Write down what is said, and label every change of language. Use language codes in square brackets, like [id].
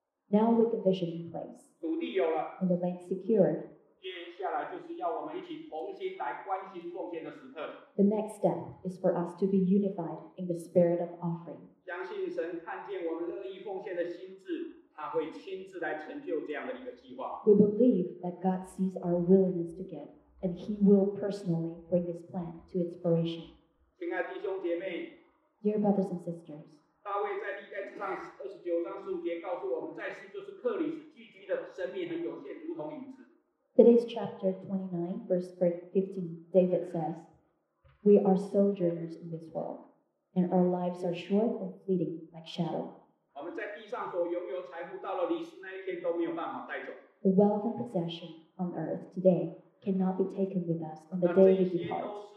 [en] Now with the vision in place, and the land secured, the next step is for us to be unified in the spirit of offering. We believe that God sees our willingness to give, and he will personally bring this plan to its fruition. [zh] 亲爱弟兄姐妹, [en] Dear brothers and sisters, [zh] 大卫在历代志上29:15告诉我们，在世就是客旅，寄居的生命很有限，如同影子。 [en] Today's chapter 29, verse 15, David says, We are sojourners in this world, and our lives are short and fleeting like shadow. [zh] 我们在地上所拥有财富，到了离世那一天都没有办法带走。 [en] The wealth and possession on earth today cannot be taken with us on the day we depart.